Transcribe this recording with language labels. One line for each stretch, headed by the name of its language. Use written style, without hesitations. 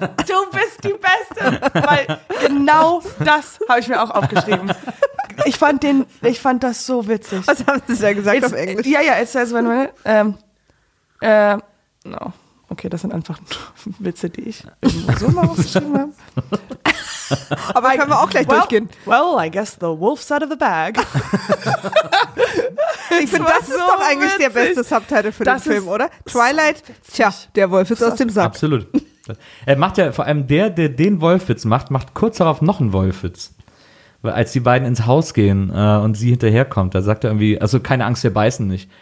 German: Nein, du bist die Beste, weil genau das habe ich mir auch aufgeschrieben. Ich fand das so witzig. Was haben Sie da gesagt auf Englisch?
English: Ja, it says when we're, no.
German: Okay, das sind einfach Witze, die ich irgendwo so mal aufgeschrieben habe. Aber können wir auch gleich durchgehen.
English: Well, I guess the wolf's out of the bag.
German: Ich finde, das ist so doch eigentlich witzig. Der beste Subtitle für das den Film, oder? Twilight, der Wolf ist aus dem Sack. Absolut. Er macht ja vor allem der den Wolfwitz macht kurz darauf noch einen Wolfwitz. als die beiden ins Haus gehen und sie hinterherkommt, da sagt er irgendwie, also keine Angst, wir beißen nicht.